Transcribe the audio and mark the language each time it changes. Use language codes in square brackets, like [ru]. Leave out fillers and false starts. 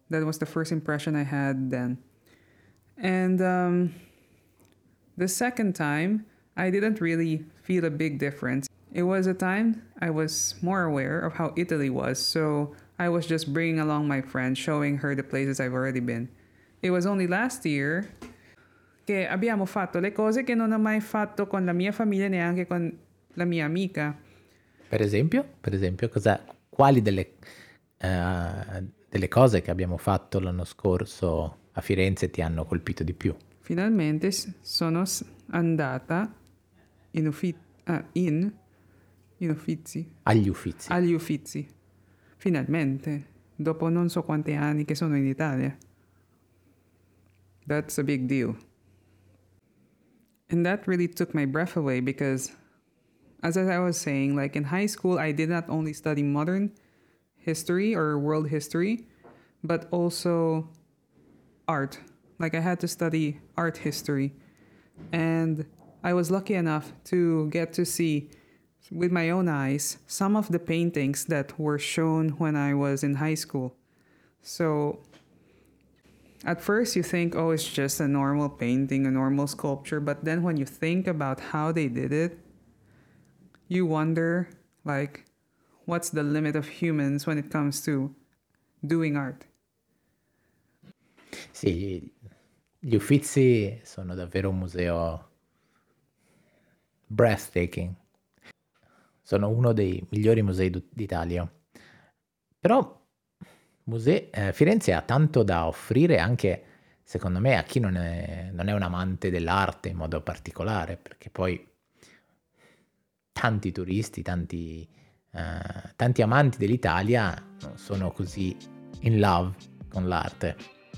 [en] That was the first impression I had then. And the second time, I didn't really feel a big difference. It was a time I was more aware of how Italy was, so I was just bringing along my friend, showing her the places I've already been. It was only last year [it] che abbiamo fatto le cose che non ho mai fatto con la mia famiglia, neanche con la mia amica. Per esempio, quali delle cose che abbiamo fatto l'anno scorso a Firenze ti hanno colpito di più? Finalmente sono andata in Uffizi. Agli Uffizi. Finalmente, dopo non so quanti anni che sono in Italia. [en] That's a big deal. And that really took my breath away, because as I was saying, like in high school, I did not only study modern history or world history, but also art. Like I had to study art history. And I was lucky enough to get to see with my own eyes some of the paintings that were shown when I was in high school. So at first you think, oh, it's just a normal painting, a normal sculpture. But then when you think about how they did it, you wonder, like, what's the limit of humans when it comes to doing art? [it] Sì, gli Uffizi sono davvero un museo breathtaking. Sono uno dei migliori musei d'Italia. Però Firenze ha tanto da offrire anche, secondo me, a chi non è un amante dell'arte in modo particolare, perché poi tanti turisti, tanti amanti dell'Italia non sono così [en] in love [it] con l'arte.